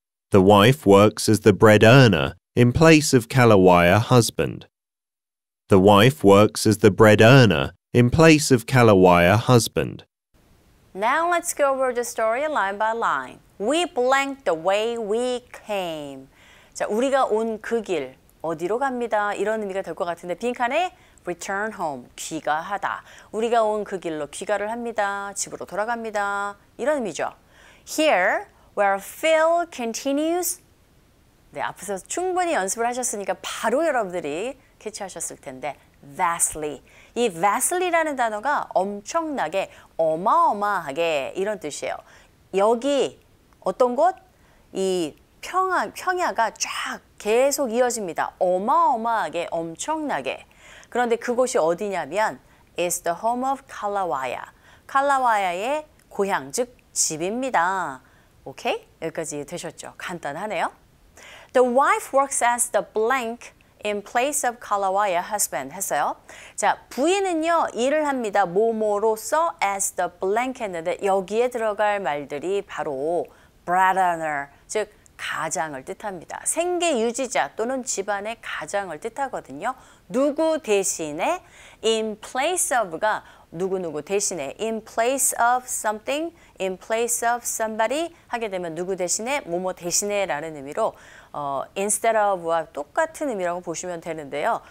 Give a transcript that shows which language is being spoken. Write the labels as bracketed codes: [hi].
[en] The wife works as the bread earner in place of Kalawaya husband. The wife works as the bread earner in place of Kalawaya husband. Now let's go over the story line by line. We blank the way we came. [ko] 자, 우리가 온 그 길 어디로 갑니다. 이런 의미가 될 것 같은데 빈칸에 [en] return home, [ko] 귀가하다. 우리가 온 그 길로 귀가를 합니다. 집으로 돌아갑니다. 이런 의미죠. [en] Here where Phil continues. [ko] 네, 앞에서 충분히 연습을 하셨으니까 바로 여러분들이 캐치하셨을 텐데 vastly. 이 vastly라는 단어가 엄청나게, 어마어마하게 이런 뜻이에요. 여기 어떤 곳? 이 평야가 쫙 계속 이어집니다. 어마어마하게, 엄청나게. 그런데 그곳이 어디냐면 [en] is the home of Kalawaya. [ko] 칼라와야의 고향, 즉 집입니다. 오케이? 여기까지 되셨죠? 간단하네요. [en] The wife works as the blank in place of Kalawaya husband [ko] 했어요. 자, 부인은요, 일을 합니다. 뭐뭐로서 [en] as the blank [ko] 했는데 여기에 들어갈 말들이 바로 [en] bread earner, [ko] 즉 가장을 뜻합니다. 생계 유지자 또는 집안의 가장을 뜻하거든요. 누구 대신에 [en] in place of [ko] 가 누구누구 대신에 [en] in place of something, in place of somebody [ko] 하게 되면 누구 대신에, 뭐뭐 대신에 라는 의미로 [en] instead of [ko] 와 똑같은 의미라고 보시면 되는데요.